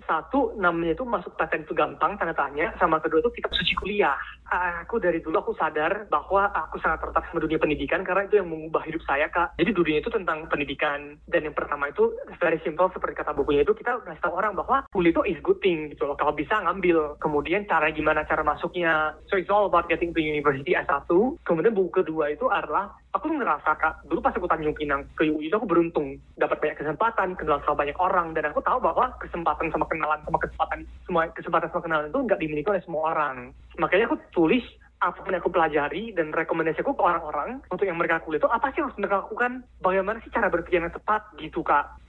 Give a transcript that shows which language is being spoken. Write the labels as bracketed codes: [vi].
[id] Satu, namanya tuh masuk paten itu gampang, tanda tanya, sama kedua tuh kitab suci kuliah. Aku dari dulu aku sadar bahwa aku sangat tertarik sama dunia pendidikan, karena itu yang mengubah hidup saya, Kak. Jadi dunia itu tentang pendidikan. Dan yang pertama itu, [en] very simple, [id] seperti kata bukunya itu, kita ngasih tahu orang bahwa kuliah itu [en] is good thing, [id] gitu loh. Kalau bisa, ngambil. Kemudian, cara gimana cara masuknya. [en] So, it's all about getting to university, S1. [id] Kemudian, buku kedua itu adalah, aku ngerasa, Kak, dulu pas aku Tanjung Pinang ke UI itu, aku beruntung dapat banyak kesempatan, kenal sama banyak orang. Dan aku tahu bahwa kesempatan sama kenalan, sama kesempatan, semua kesempatan sama kenalan itu nggak dimiliki oleh semua orang. Makanya, aku tulis apa yang aku pelajari dan rekomendasiku ke orang-orang untuk yang mereka kuliah itu apa sih yang harus mereka lakukan, bagaimana sih cara berpikir yang tepat gitu Kak.